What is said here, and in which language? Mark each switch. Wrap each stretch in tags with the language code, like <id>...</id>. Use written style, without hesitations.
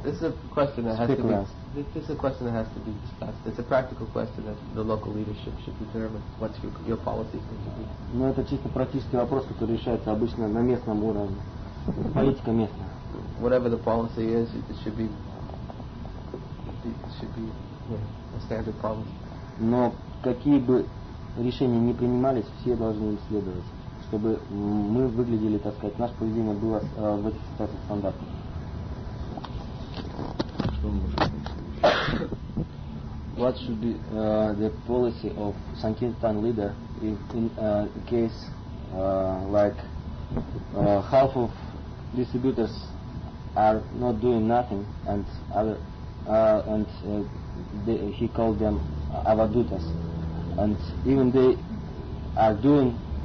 <en>this is a question that has to be discussed. It's a practical question that the local leadership should determine what's your policy going to be.</en> <ru>Ну это чисто практический вопрос, который решается обычно на местном уровне. Политика местная.</ru> <en>Whatever the policy is, it should be should be a standard problem.</en> <ru>Но какие бы решения ни принимались, все должны им следовать, чтобы мы выглядели, так сказать, наше поведение было в этих ситуациях стандартным. Что мы можем сказать?</ru> <en>What should be the policy of Sankirtan leader if in a case like half of distributors are not doing nothing and other he called them avadutas, and even they are doing</en>